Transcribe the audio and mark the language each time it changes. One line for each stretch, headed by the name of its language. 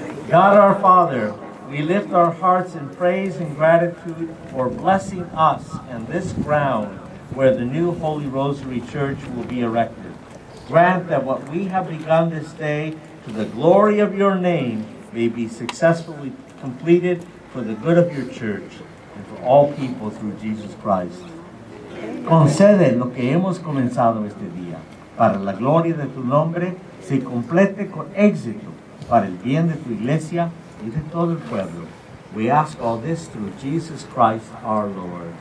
English: God our Father, we lift our hearts in praise and gratitude for blessing us and this ground where the new Holy Rosary Church will be erected. Grant that what we have begun this day to the glory of your name may be successfully completed for the good of your church and for all people through Jesus Christ.
Spanish: Concede lo que hemos comenzado este día para la gloria de tu nombre se complete con éxito para el bien de tu iglesia y de todo el pueblo.
English: We ask all this through Jesus Christ our Lord.